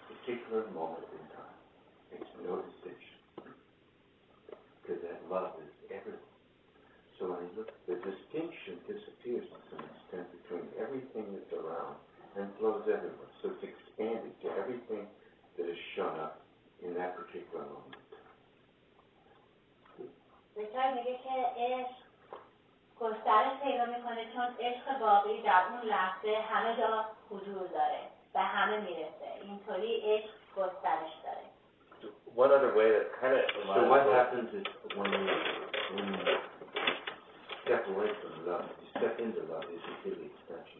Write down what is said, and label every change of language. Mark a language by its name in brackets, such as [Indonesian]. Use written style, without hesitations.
[English] particular moment in time makes no distinction, because that love is everything. So when I look, the distinction disappears to some extent between everything that's around and flows everywhere. So it's expanded to everything that has shown up in that particular moment. [Persian] بچه میگه که عشق گسترش پیدا میکنه چون عشق واقعی در اون لحظه همه جا حضور داره و همه میرسه. اینطوری عشق گسترش داره. [English] One other way that kind of so what happens is when you step away from love, you step into love, is you feel the expansion.